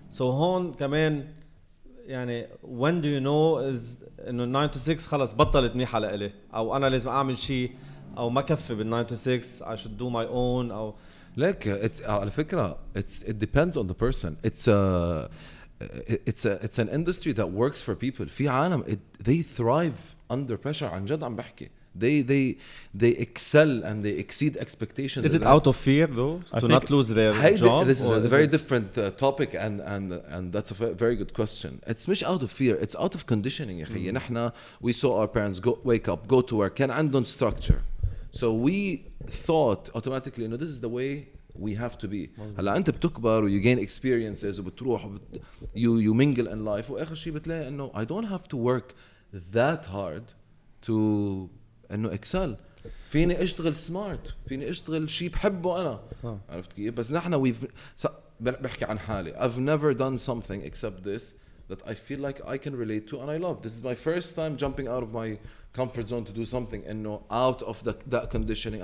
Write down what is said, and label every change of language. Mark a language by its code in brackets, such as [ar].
[ar] So هون كمان يعني [en] when do you know is [ar] إنه 9 to 6 خلاص بطلت ميحة لإلي أو أنا لازم أعمل شيء أو ما كفي بال 9 to 6 [en] I should do my own [ar] أو. لك على فكرة [en] it depends on the person. It's an industry that works for people. [ar] في عالم [en] they thrive. Under pressure, [ar] عن جد عم بحكي. [en] They excel and they exceed expectations. Is it out of fear though to not lose their job? This is a very different topic, and that's a very good question. It's مش out of fear. It's out of conditioning. [ar] يا خي. نحنا [en] we saw our parents go wake up, go to work, [ar] كان عندهم [en] structure. So we thought automatically, this is the way we have to be. [ar] هلا أنت بتكبر و [en] you gain experiences [ar] وبتروح [en] you mingle in life. [ar] وآخر شيء بتلاقي إنه [en] I don't have to work. That hard to إنه excel. [ar] فيني أشتغل smart. فيني أشتغل شيء بحبه أنا. صح. عرفت كيف؟ بس نحنا بحكي عن حالي. [en] I've never done something except this that I feel like I can relate to and I love. This is my first time jumping out of my comfort zone to do something [ar] إنه [en] out of that conditioning.